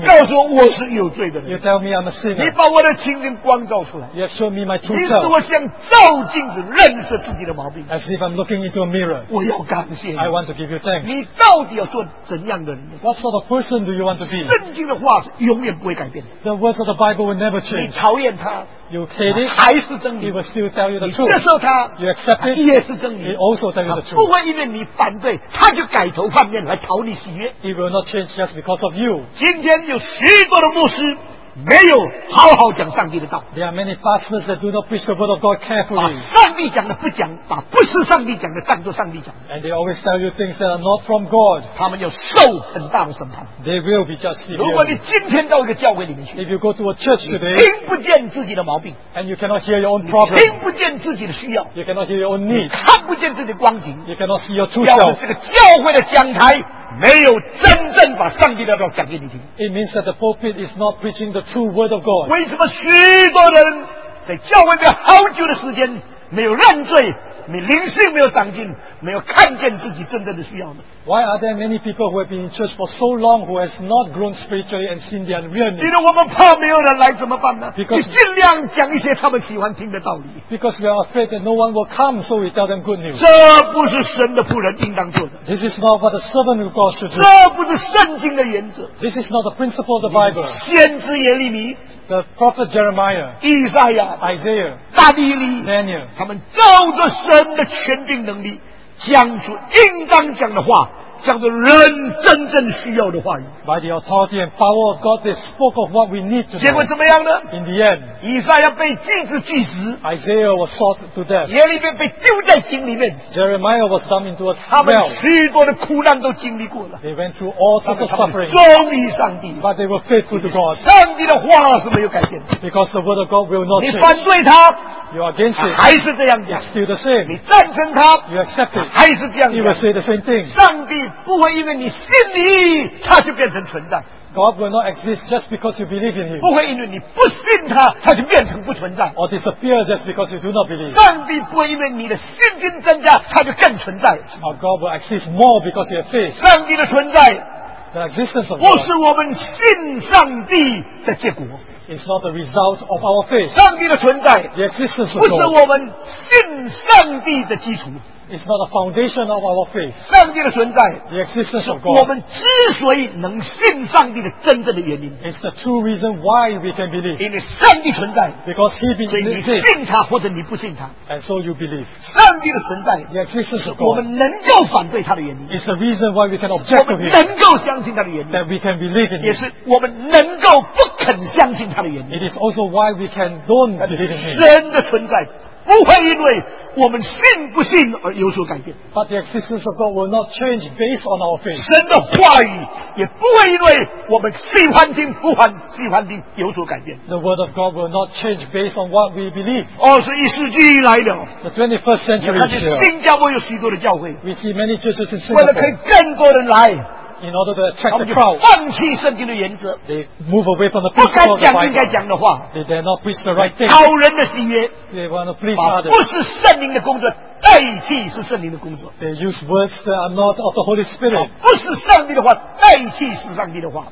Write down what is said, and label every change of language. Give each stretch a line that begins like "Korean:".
Chinese: 你告诉我我是有罪的人。
English: You tell me I'm a sinner.
Chinese: 你把我的情形光照出来。
English: You show me my true self.
Chinese: 你使我像照镜子认识自己的毛病。
English: As if I'm looking into a mirror.
Chinese: 我要感谢你。
English: I want to give you thanks.
Chinese: 你到底要做怎样的人
English: ？What sort of person do you want to be?
Chinese: 圣经的话永远不会改变。
English: The words of the Bible will never change.
Chinese: 你讨厌他
English: ，You hate it.
Chinese: 还是真理
English: ？He will still tell you the truth.
Chinese: 你接受他
English: ，You accept it.
Chinese: 也是真理
English: ，He also tell you the truth.
Chinese: 不会因为你反对，他就改头换面来讨你喜悦。
English: He will not change just because of you.
Chinese: 今天有许多的牧师没有好好讲上帝的道
English: There are many pastors that do not preach the word of God carefully
Chinese: 把上帝讲的不讲把不是上帝讲的当作上帝讲
English: And they always tell you things that are not from God
Chinese: 他们要受很大的审判
English: They will be justified
Chinese: 如果你今天到一个教会里面去
English: If you go to a church today
Chinese: 你听不见自己的毛病
English: And you cannot hear your own problem
Chinese: 你听不见自己的需要
English: You cannot hear your own need
Chinese: 你看不见自己的光景
English: You cannot see your true self
Chinese: 表示这个教会的讲台没有真正把上帝的道讲给你听
English: It means that the pulpit is not preaching the true word of God
Chinese: 为什么许多人在教会里面好久的时间没有认罪没灵性没有长进没有看见自己真正的需要呢
English: Why are there many people who have been in church for so long who has not grown spiritually and seen their real need
Chinese: 因为我们怕没有人来怎么办呢
English: Because
Chinese: 你尽量讲一些他们喜欢听的道理
English: Because we are afraid that no one will come so we tell them good news
Chinese: 这不是神的仆人应当做的
English: This is not what the servant of God should do
Chinese: 这不是圣经的原则
English: This is not the principle of the Bible
Chinese: 先知耶利米
English: The prophet Jeremiah, Isaiah, Isaiah,
Chinese: 大利利
English: Daniel,
Chinese: 他们照着神的权柄能力，讲出应当讲的话，讲出人真正需要的话语。
English: By the authority and power of God, they spoke of what we need to.
Chinese: 结果怎么样呢
English: ？In the end,
Chinese: Isaiah 被锯子锯死
English: ，Isaiah was sawed to death.
Chinese: 耶利米被丢在井里面
English: ，Jeremiah was dumped into a well.
Chinese: 他们许多的苦难都经历过了
English: ，They went through all sorts of suffering.
Chinese: 忠于上帝
English: ，But they were faithful to God.
Chinese: 上帝的话是没有改变
English: ，Because the word of God will not change.
Chinese: 你反对他
English: ，You are against it.
Chinese: 还是这样讲
English: ，Still the same.
Chinese: 你赞成他
English: ，You accept it.
Chinese: 还是这样讲
English: ，You will say the same thing.
Chinese: 上帝不会因为你信你他就变成存在。
English: God will not exist just because you believe in him.
Chinese: 不会因为你不信他，他就变成不存在。
English: Or disappear just because you do not believe.
Chinese: 上帝不会因为你的信心增加，他就更存在。
English: Now God will exist more because you have faith.
Chinese: 上帝的存在
English: ，the existence of God,
Chinese: 不是我们信上帝的结果。
English: It's not the result of our faith.
Chinese: 上帝的存在
English: ，the existence of God,
Chinese: 不是我们信上帝的基础。
English: It's not the foundation of our faith.
Chinese: 上帝的存在
English: the existence of God,
Chinese: 是我们之所以能信上帝的真正的原因。
English: It's the true reason why we can believe.
Chinese: 因为上帝存在
English: because he believes.
Chinese: 所以你信他或者你不信他
English: and so you believe.
Chinese: 上帝的存在
English: the existence of God,
Chinese: 是我们能够反对他的原因。
English: It's the reason why we can object to him.
Chinese: 我们能够相信他的原因
English: that we can believe in him.
Chinese: 也是我们能够不肯相信他的原因。
English: It is also why we can don't believe in him.
Chinese: 神的存在不会因为我们信不信而有所改变。
English: But the existence of God will not change based on our faith.
Chinese: 神的话语也不会因为我们喜欢听不欢喜欢听有所改变。
English: The word of God will not change based on what we believe.
Chinese: 二十一世纪以来了。
English: The 21st century is here.
Chinese: 新加坡有许多的教会。
English: We see many churches in
Chinese: Singapore. 为了可以更多人来。
English: In order to attract the crowd,
Chinese: 放弃圣经的原则。
English: They move away from the principle of the Bible.
Chinese: 不该讲应该讲的话。
English: They dare not preach the right thing.
Chinese: 讨人的喜悦。
English: They want to please others.
Chinese: 不是圣灵的工作，代替是圣灵的工作。
English: They use words that are not of the Holy Spirit.
Chinese: 不是上帝的话，代替是上帝的话。